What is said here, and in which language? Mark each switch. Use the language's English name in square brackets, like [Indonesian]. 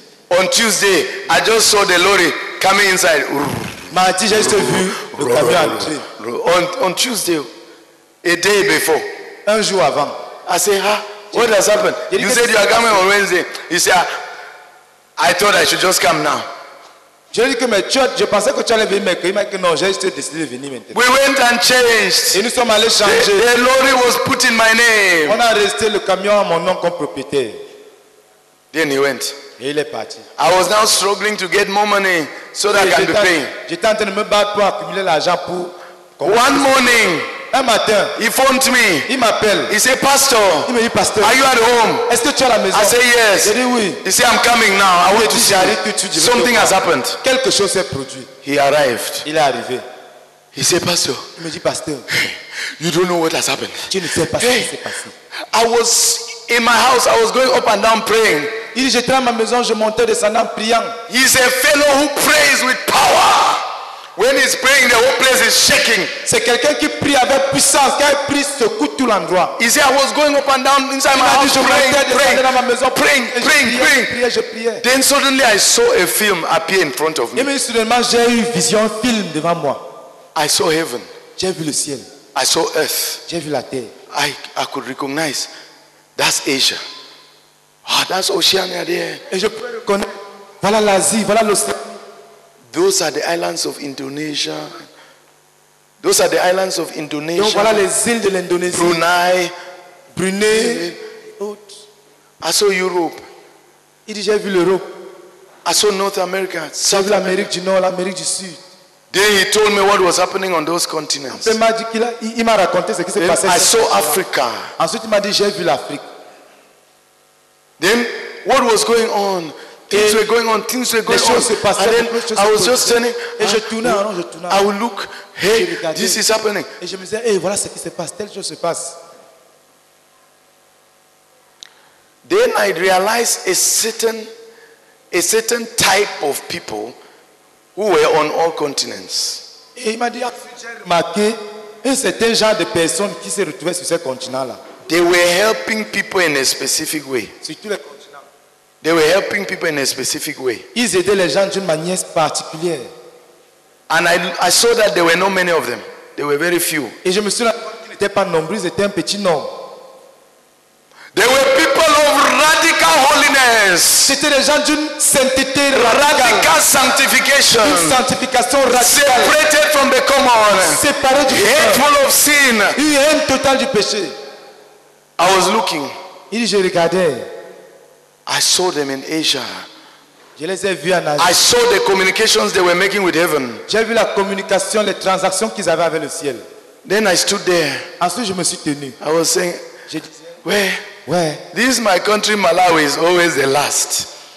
[English] On Tuesday, I just saw the lorry coming inside. [French] Mardi, j'ai juste vu le camion entrer. [English] On Tuesday, a day before. [French] Un jour avant. [English] I said, ah, what has happened? You said you are coming on Wednesday. You said, ah, I thought I should just come now. [French] Je dis que mais tu as, je pensais que tu allais venir, mais que non, j'ai juste décidé de venir maintenant. [English] We went and changed. [French] Et nous sommes allés changer. [English] The lorry was put in my name. [French] On a resté le camion à mon nom comme propriétaire. [English] Then he went. [French] Et il est parti. [English] I was now struggling to get more money so that I can be paying. [French] J'étais en train de me battre pour accumuler l'argent pour. [English] One morning, [French] un matin, [English] he phoned me. [French] Il m'appelle. [English] He said, Pastor, [French] il me dit, Pasteur, [English] are you at home? [French] Est-ce que tu es à la maison? [English] I said, yes. [French] J'ai dit, oui. [English] He said, I'm coming now. I want to see you. Something has happened. [French] Quelque chose s'est produit. [English] He arrived. [French] Il est arrivé. [English] He said, Pastor, [French] il me dit, Pasteur, [English] you don't know what has happened. [French] Tu ne sais pas ce qui s'est passé. [English] I was in my house. I was going up and down praying. [French] Il dit, j'étais à ma maison, je montais, descendant, priant. [English] He's a fellow who prays with power. When he's praying, the whole place is shaking. [French] C'est quelqu'un qui prie avec puissance, qui a pris secoue tout l'endroit. [English] He said, I was going up and down inside my house, praying. Then suddenly I saw a film appear in front of me. [French] Et bien, soudainement, j'ai eu vision, film devant moi. [English] I saw heaven. [French] J'ai vu le ciel. [English] I saw earth. [French] J'ai vu la terre. [English] I could recognize that's Asia. Ah, that's Oceania there. [French] Et je pouvais reconnaître. Voilà l'Asie, voilà l'Océan. [English] Those are the islands of Indonesia. Those are the islands of Indonesia. [French] Donc voilà les îles de l'Indonésie. [English] Brunei. [French] Brunei. [English] I saw Europe. [French] Il dit, j'ai vu l'Europe. [English] I saw North America. [French] J'ai vu l'Amérique du Nord, l'Amérique du Sud. [English] Then he told me what was happening on those continents. [French] Il m'a dit qu'il a, il m'a raconté ce qui s'est passé. [English] I saw Africa. [French] Ensuite, il m'a dit, j'ai vu l'Afrique. [English] Then, what was going on? Things were going on. Things were going on. [French] Passées, [English] and then I was just turning. [French] Et je tournais, alors je tournais. [English] I would look. Hey, this is happening. [French] Et je me disais, hey, voilà ce qui se passe. Telle chose se passe. [English] Then I realized a certain type of people who were on all continents. [French] Et il m'a dit, j'ai remarqué un certain genre de personnes qui se retrouvaient sur ces continents-là. [English] They were helping people in a specific way. They were helping people in a specific way. [French] Ils aidaient les gens d'une manière particulière. [English] And I saw that there were not many of them. There were very few. [French] Et je me suis rendu compte qu'ils n'étaient pas nombreux, ils étaient un petit nombre. [English] There were people of radical holiness. [French] C'était des gens d'une sainteté radicale. [English] Radical sanctification. [French] Une sanctification radicale. [English] Separated from the common. [French] Séparés du commun. [English] Hateful of sin. [French] Une haine totale du péché. [English] I was looking. [French] Il dit, je regardais. [English] I saw them in Asia. [French] Je les ai vus en Asie. [English] I saw the communications they were making with heaven. [French] J'ai vu la communication, les transactions qu'ils avaient avec le ciel. [English] Then I stood there. [French] Ensuite, je me suis tenu. [English] I was saying, Where? This is my country, Malawi, is always the last.